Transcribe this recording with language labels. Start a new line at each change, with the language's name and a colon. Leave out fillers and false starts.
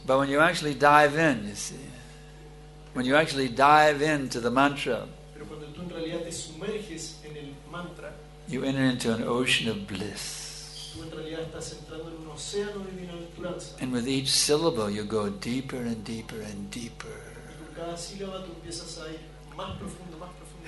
English: But when you actually dive in, you see, when you actually dive into the mantra,
Spanish: pero cuando tú en realidad te sumerges en el mantra,
English: you enter into an ocean of bliss.
Spanish: Tú en realidad estás entrando en un océano de bienaventuranza.
English: And with each syllable, you go deeper and deeper and deeper.
Spanish: Y con cada sílaba tú empiezas a ir más profundo, más profundo.